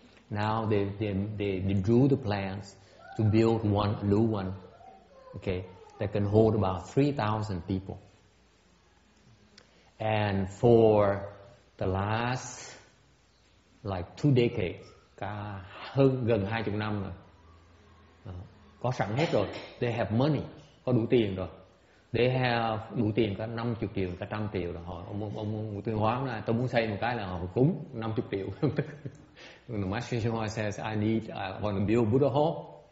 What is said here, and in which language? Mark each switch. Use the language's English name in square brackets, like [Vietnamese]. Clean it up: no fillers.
[English] Now they drew the plans to build one new one, okay, that can hold about 3,000 people. And for the last like 2 decades, [Vietnamese] gần 20 năm rồi, có sẵn hết rồi. [English] They have money, [Vietnamese] có đủ tiền rồi. [English] They have [Vietnamese] đủ tiền cả 50 triệu, cả 100 triệu rồi. Hỏi ông Tư Hóa là tôi muốn xây một cái là họ cúng 50 triệu. [English] The Master Shihua says, I want to build Buddha Hall.